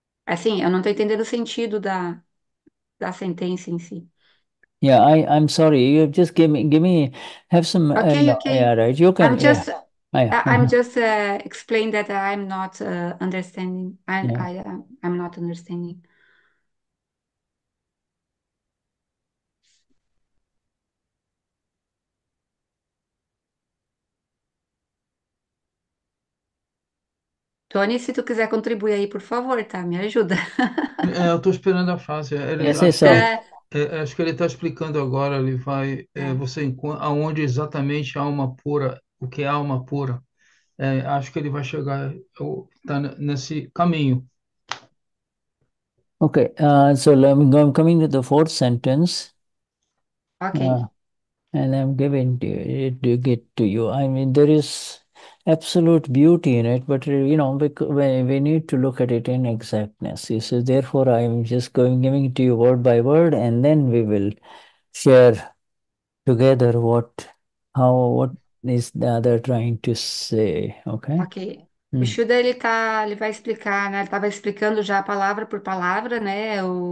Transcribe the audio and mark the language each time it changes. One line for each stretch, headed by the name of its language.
Portuguese: Assim, eu não estou entendendo o sentido da sentença em si.
English: Yeah, I'm sorry. You just give me have some no, yeah, right. You can, yeah. I'm just explain that I'm not understanding. Yeah. I'm not understanding.
Portuguese: Tony, se tu quiser contribuir aí, por favor, tá? Me ajuda. É, eu estou esperando a frase. Ele Essa é acho que só. Acho que ele está explicando agora, ele vai, você encontra aonde exatamente a alma pura, o que é a alma pura. É, acho que ele vai chegar, está nesse caminho.
English: Okay, so I'm coming to the fourth sentence, and I'm giving it to get to you. I mean, there is absolute beauty in it, but you know, we need to look at it in exactness. You see, therefore, I am just going giving it to you word by word, and then we will share together what is the other trying to say. Okay.
Portuguese: O Shuda, ele vai explicar, né? Ele estava explicando já palavra por palavra, né?